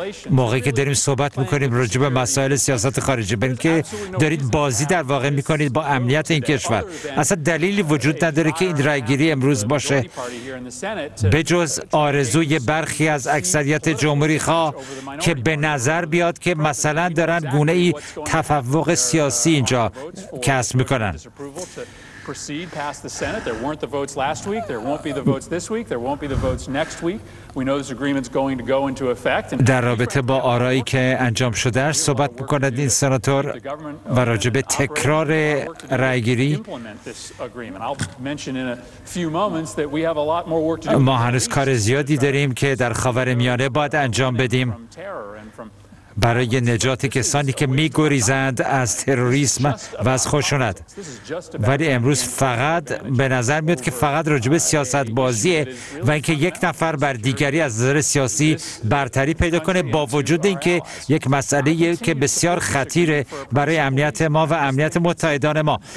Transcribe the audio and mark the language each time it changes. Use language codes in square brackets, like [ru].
[fa] موقعی که داریم صحبت میکنیم راجع به مسائل سیاست خارجی، به اینکه دارید بازی در واقع میکنید با امنیت این کشور، اصلا دلیلی وجود نداره که این رأی‌گیری امروز باشه به جز آرزوی برخی از اکثریت جمهوری خواه که به نظر بیاد که مثلا دارن گونه ای تفوق سیاسی اینجا کسب میکنن. [en] Proceed past the Senate. There weren't the votes last week. There won't be the votes this week. There won't be the votes next week. We know this agreement's going to go into effect. [fa] در رابطه با آرایی که انجام شده است صحبت می‌کند این سناتور و راجع به تکرار رأی‌گیری. [en] I'll mention in a few moments that we have a lot more work to do. [fa] ما هنوز کار زیادی داریم که در خاورمیانه باید انجام بدیم برای نجات کسانی که می گریزند از تروریسم و از خشونت. ولی امروز فقط به نظر میاد که فقط راجب سیاست بازیه و اینکه یک نفر بر دیگری از نظر سیاسی برتری پیدا کنه، با وجود اینکه یک مسئله که بسیار خطیره برای امنیت ما و امنیت متحدان ما.